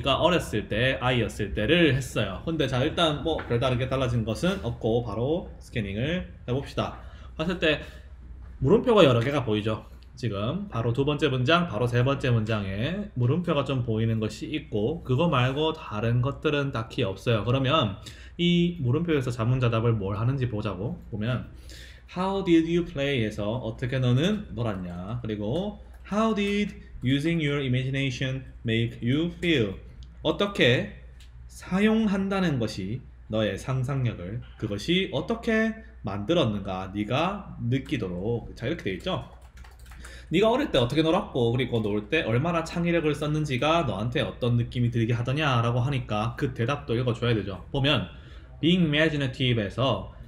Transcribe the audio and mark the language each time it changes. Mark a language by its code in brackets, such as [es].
[ko] 네가 어렸을 때, 아이였을 때를 했어요. 근데 자 일단 뭐 별다르게 달라진 것은 없고 바로 스캐닝을 해봅시다. 봤을 때 물음표가 여러 개가 보이죠. 지금 바로 두 번째 문장, 바로 세 번째 문장에 물음표가 좀 보이는 것이 있고, 그거 말고 다른 것들은 딱히 없어요. 그러면 이 물음표에서 자문자답을 뭘 하는지 보자고. 보면 [en] How did you play? [ko] 에서 어떻게 너는 놀았냐, 그리고 [en] How did using your imagination make you feel? [ko] 어떻게 사용한다는 것이 너의 상상력을, 그것이 어떻게 만들었는가, 네가 느끼도록. 자, 이렇게 돼 있죠. 네가 어릴 때 어떻게 놀았고, 그리고 놀때 얼마나 창의력을 썼는지가 너한테 어떤 느낌이 들게 하더냐라고 하니까 그 대답도 읽어줘야 되죠. 보면 [en] Being imaginative [ko] 에서